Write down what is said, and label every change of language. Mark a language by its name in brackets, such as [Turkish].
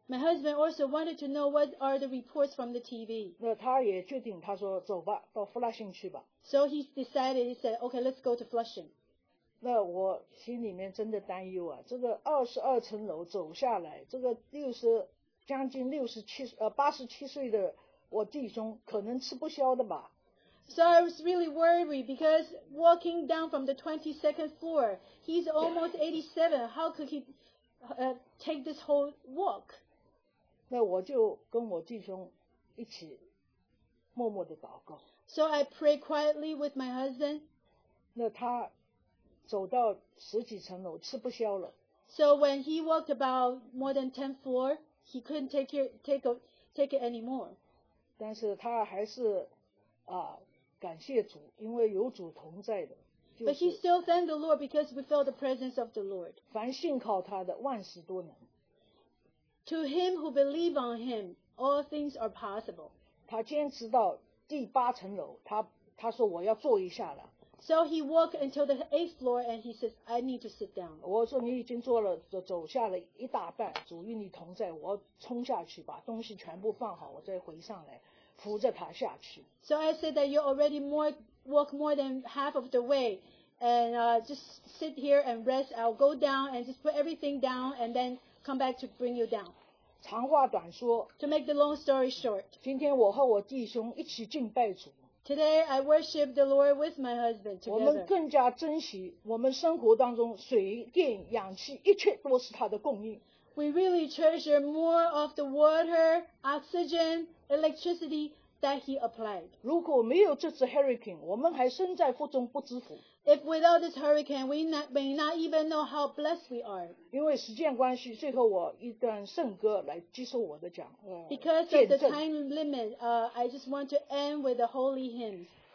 [English] My husband also wanted to know what are the reports from the TV. [Chinese] 那他也决定，他说：“走吧，到 Flushing 去吧。” [English] So he decided. He said, "Okay, let's go to Flushing." [Chinese] 那我心里面真的担忧啊，这个22层楼走下来，这个将近六十七八十七岁的我弟兄可能吃不消的吧。 [English] So I was really worried because walking down from the 22nd floor, he's almost 87. How could he take this whole walk? [Chinese] 那我就跟我弟兄一起默默地祷告。 [English] So I pray quietly with my husband. [Chinese] 那他走到十几层楼吃不消了。 [English] So when he walked about more than 10 floor, he couldn't take it anymore. [Chinese] 但是他还是感谢主，因为有主同在的。 [English] But he still thanked the Lord because we felt the presence of the Lord. [Chinese] 凡信靠他的万事都能。 [English] To him who believe on him, all things are possible. [Chinese] 他坚持到第八层楼，他说我要坐一下了。 [English] So he walked until the eighth floor and he says, I need to sit down. [Chinese] 我说你已经坐了，走下了一大半，主与你同在，我冲下去把东西全部放好，我再回上来，扶着他下去。 [English] So I said that you already walked more than half of the way, and just sit here and rest. I'll go down and just put everything down and then come back to bring you down. [Chinese] 长话短说。 [English] To make the long story short. [Chinese] 今天我和我弟兄一起敬拜主。 [English] Today, I worship the Lord with my husband together. [Chinese] 我们更加珍惜我们生活当中水电氧气一切都是他的供应。 [English] We really treasure more of the water, oxygen, electricity that he applied. [Chinese] 如果没有这次 hurricane, 我们还身在福中不知福。 [English] If without this hurricane, we may not even know how blessed we are. [Chinese] 因为时间关系，最后我一段圣歌来接受我的讲。 [English] Because of the time limit, I just want to end with a holy hymn.